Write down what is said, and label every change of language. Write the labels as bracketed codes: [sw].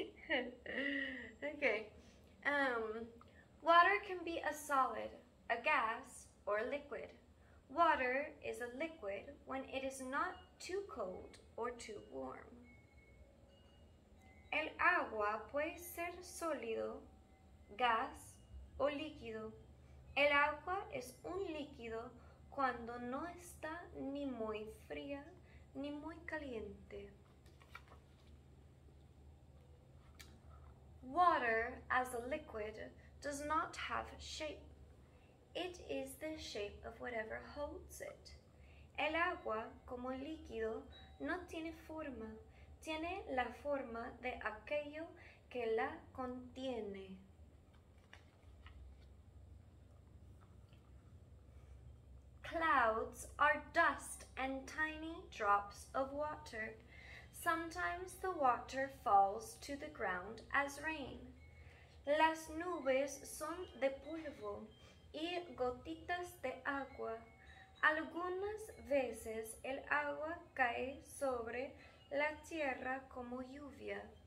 [en] Okay. Water can be a solid, a gas, or a liquid. Water is a liquid when it is not too cold or too warm. [es] El agua puede ser sólido, gas, o líquido. El agua es un líquido cuando no está ni muy fría ni muy caliente. [en] Water, as a liquid, does not have shape. It is the shape of whatever holds it. [es] El agua, como líquido, no tiene forma. Tiene la forma de aquello que la contiene. [en] Clouds are dust and tiny drops of water. Sometimes the water falls to the ground as rain. [es] Las nubes son de polvo y gotitas de agua. Algunas veces el agua cae sobre la tierra como lluvia.